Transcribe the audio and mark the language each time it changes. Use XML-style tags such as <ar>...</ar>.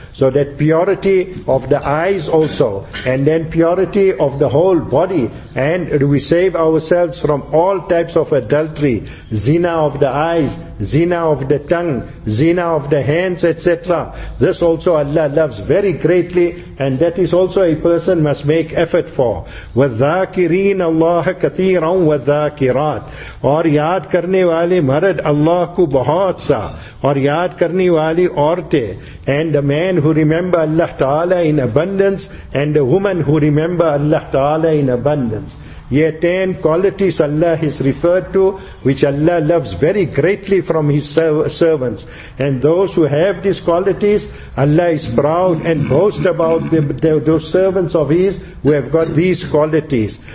<en>So that purity of the eyes also, and then purity of the whole body, and we save ourselves from all types of adultery, zina of the eyes, zina of the tongue, zina of the hands, etc. This also Allah loves very greatly, and that is also a person must make effort for.</en> <ar>وَذَّاكِرِينَ اللَّهَ كَثِيرًا وَذَّاكِرَاتٍ</ar> <ur>اور یاد کرنے والے مرد اللہ کو بہت سا اور یاد کرنے والی عورتیں.</ur> <en>And the man who remember Allah Ta'ala in abundance, and the woman who remember Allah Ta'ala in abundance. Ye 10 qualities Allah has referred to, which Allah loves very greatly from His servants. And those who have these qualities, Allah is proud and boasts about those servants of His who have got these qualities.</en>